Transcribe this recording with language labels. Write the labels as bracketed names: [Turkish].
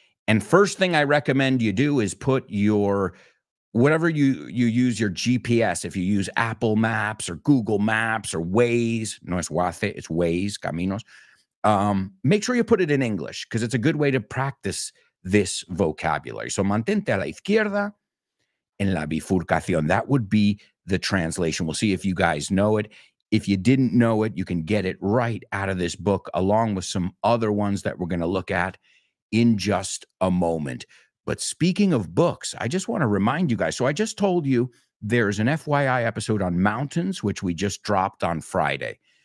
[English] And first thing I recommend you do is put your, whatever you use your GPS, if you use Apple Maps or Google Maps or Waze, [Spanish] no es Waze, [English] it's Waze, Caminos. Make sure you put it in English because it's a good way to practice this vocabulary. [Spanish] So mantente a la izquierda en la bifurcación. [English] That would be the translation. We'll see if you guys know it. If you didn't know it, you can get it right out of this book along with some other ones that we're going to look at in just a moment. But speaking of books, I just want to remind you guys. So I just told you there's an FYI episode on mountains, which we just dropped on Friday.